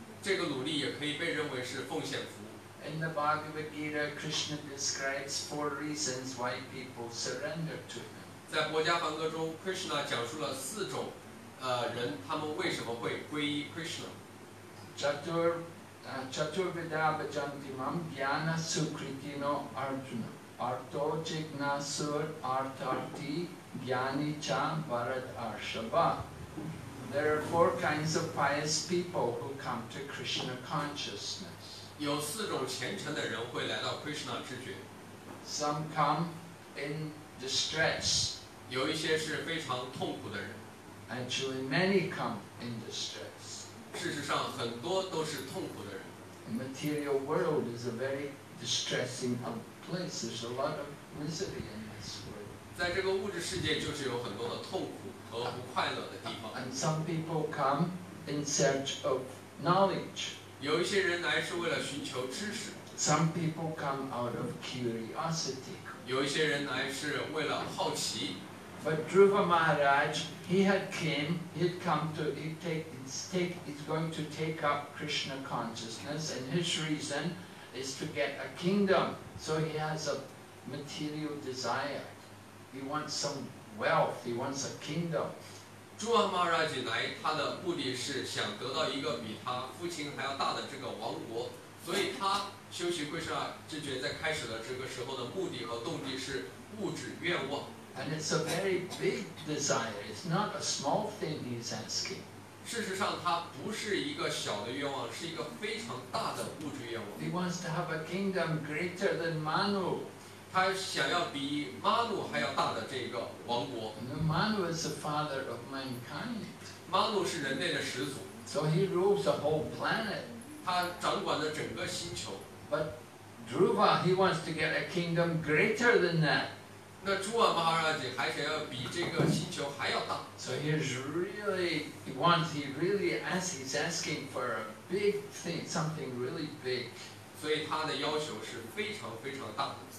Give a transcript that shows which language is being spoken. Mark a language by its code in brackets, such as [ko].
[zh] 这个努力也可以被认为是奉献服务。 [en] In the Bhagavad Gita, Krishna describes four reasons why people surrender to him. [zh] 在国家梵歌中 ，Krishna 讲述了四种，人他们为什么会皈依 Krishna。 [sa] Chaturvidha bhajantimam jnana sukritino arjuna arto jignasur artarti jnani cha varad arshava. [en] There are four kinds of pious people who come to Krishna consciousness. [zh] 有四种虔诚的人会来到 Krishna 知觉。 [en] Some come in distress. [zh] 有一些是非常痛苦的人。 [en] Actually, many come in distress. [zh] 事实上，很多都是痛苦的人。 [en] The material world is a very distressing place. There's a lot of misery in this world. [zh] 在这个物质世界，就是有很多的痛苦。 [en] And some people come in search of knowledge. [zh] 有一些人来是为了寻求知识。 [en] Some people come out of curiosity. [zh] 有一些人来是为了好奇。 [en] But Dhruva Maharaj, he's going to take up Krishna consciousness, and his reason is to get a kingdom. So he has a material desire. He wants some. Wealth. He wants a kingdom. [zh] Dhruva Maharaj 来，他的目的是想得到一个比他父亲还要大的这个王国。所以他修习慧上知觉，在开始的这个时候的目的和动机是物质愿望。 [en] And it's a very big desire. It's not a small thing he's asking. [zh] 事实上，他不是一个小的愿望，是一个非常大的物质愿望。 [en] He wants to have a kingdom greater than Manu. [zh] 他想要比马努还要大的这个王国。 [en] 马努 is the father of mankind. [zh] 马努是人类的始祖。 [en] So he rules the whole planet. [zh] 他掌管了整个星球。 [en] But Dhruva, he wants to get a kingdom greater than that. [zh] 那朱瓦马哈拉吉还想要比这个星球还要大。 [en] So he really wants, he really asks, he's asking for a big thing, something really big. [zh] 所以他的要求是非常非常大的。